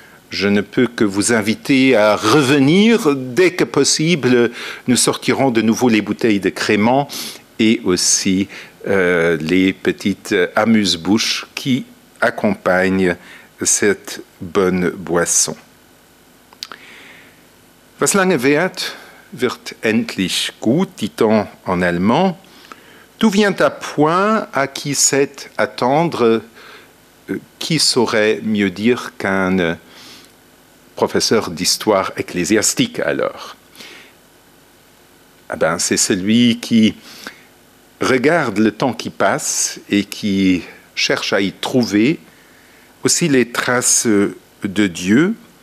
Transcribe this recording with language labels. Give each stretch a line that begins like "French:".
French: Je ne peux que vous inviter à revenir dès que possible. Nous sortirons de nouveau les bouteilles de crémant et aussi les petites amuse-bouches qui accompagnent cette bonne boisson.
German: Was lange währt, wird endlich gut,
French: dit-on en allemand. Tout vient à point, à qui sait attendre, qui saurait mieux dire qu'un professeur d'histoire ecclésiastique alors? Ah ben, c'est celui qui regarde le temps qui passe et qui cherche à y trouver aussi les traces de Dieu.